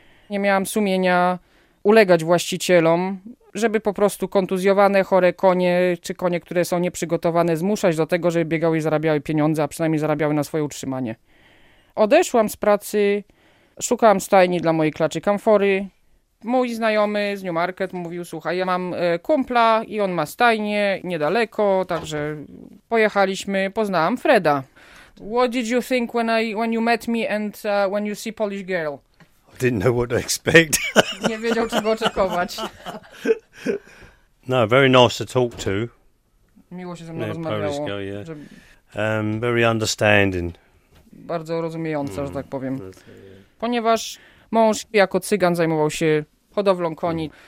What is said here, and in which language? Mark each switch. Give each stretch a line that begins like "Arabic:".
Polish: Nie miałam sumienia ulegać właścicielom, żeby po prostu kontuzjowane, chore konie czy konie, które są nieprzygotowane, zmuszać do tego, żeby biegały i zarabiały pieniądze, a przynajmniej zarabiały na swoje utrzymanie. Odeszłam z pracy, szukałam stajni dla mojej klaczy kamfory. Mój znajomy z Newmarket mówił, słuchaj, ja mam kumpla i on ma stajnię niedaleko, także pojechaliśmy, poznałam Freda.
English: What did you think when you met me and when you see Polish girl? Didn't know what to expect.
Polish: Nie wiedział, czego oczekować.
English: No, very nice to talk to.
Polish: Miło się ze mną rozmawiało.
English: Polish girl, yeah. Very understanding.
Polish: Bardzo rozumiejąca, że tak powiem. Ponieważ mąż jako cygan zajmował się hodowlą koni.